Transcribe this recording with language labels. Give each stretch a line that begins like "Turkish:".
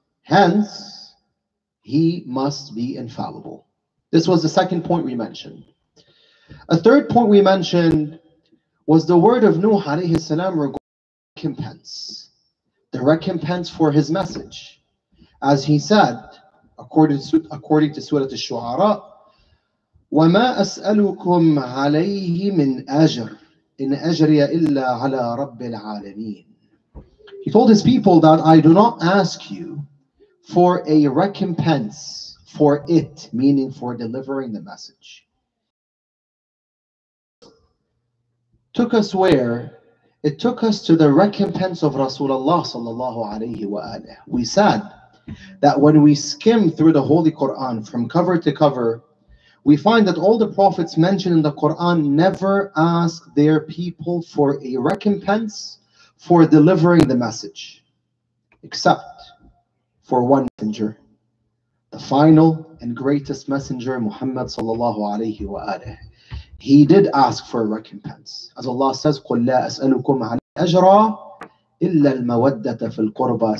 English: Hence, he must be infallible. This was the second point we mentioned. A third point we mentioned was the word of Nuh alayhi salam regarding recompense, the recompense for his message. As he said, according to Surah Shu3araa,
Arabic: وَمَا أَسْأَلُكُمْ عَلَيْهِ مِنْ أَجْرٍ إِنْ أَجْرِيَ إِلَّا عَلَىٰ رَبِّ الْعَالَمِينَ.
English: He told his people that I do not ask you for a recompense for it, meaning for delivering the message. Took us where? It took us to the recompense of Rasulullah sallallahu alayhi wa alayhi. We said that when we skim through the Holy Quran from cover to cover, we find that all the prophets mentioned in the Quran never ask their people for a recompense for delivering the message, except for one messenger, the final and greatest messenger, Muhammad sallallahu alayhi wa alayhi. He did ask for a recompense. As Allah says,
Arabic: قُلْ لَا أَسْأَلُكُمْ عَلَىٰ أَجْرًا إِلَّا الْمَوَدَّةَ فِي الْقُرْبَىٰ.